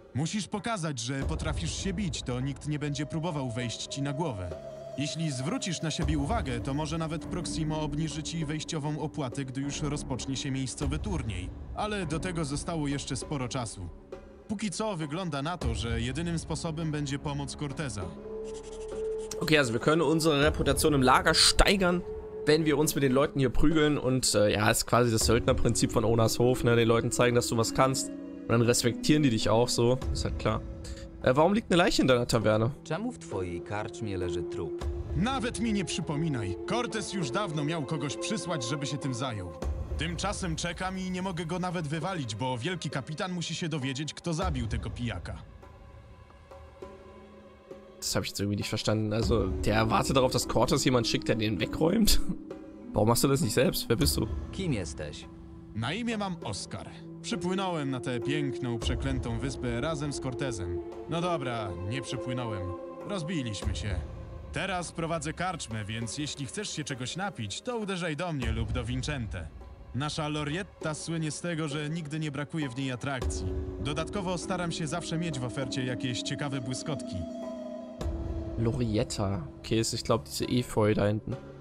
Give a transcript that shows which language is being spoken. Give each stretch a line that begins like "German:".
Polish: Musisz pokazać, że potrafisz się bić, to nikt nie będzie próbował wejść ci na głowę. Jeśli zwrócisz na siebie uwagę, to może nawet Proximo obniży ci wejściową opłatę, gdy już rozpocznie się miejscowy turniej. Ale do tego zostało jeszcze sporo czasu. Póki co wygląda na to, że jedynym sposobem będzie pomoc Corteza.
German: Okay, also wir können unsere Reputation im Lager steigern, wenn wir uns mit den Leuten hier prügeln und ja, ist quasi das Söldnerprinzip von Onas Hof, ne? Den Leuten zeigen, dass du was kannst. Und dann respektieren die dich auch so, ist halt klar. Warum liegt eine Leiche in deiner Taverne?
Polish: Czemu w twojej karczmie leży trup? Nawet mi nie przypominaj. Cortez już dawno miał kogoś przysłać, żeby się tym zajął. Tymczasem czekam i nie mogę go nawet wywalić, bo wielki kapitan musi się dowiedzieć, kto zabił tego pijaka.
German: Das habe ich jetzt irgendwie nicht verstanden. Also, der wartet darauf, dass Cortez jemand schickt, der den wegräumt? Warum machst du das nicht selbst? Wer bist du?
Polish: Kim jesteś? Na imię mam Oskar. Przypłynąłem na tę piękną, przeklętą wyspę razem z Cortezem. No dobra, nie przypłynąłem. Rozbiliśmy się. Teraz prowadzę karczmę, więc jeśli chcesz się czegoś napić, to uderzaj do mnie lub do Vincente. Nasza Lorietta słynie z tego, że nigdy nie brakuje w niej atrakcji. Dodatkowo staram się zawsze mieć w ofercie jakieś ciekawe błyskotki. Lorietta.
German: Okay, jest, ich glaube, diese Efeu da hinten.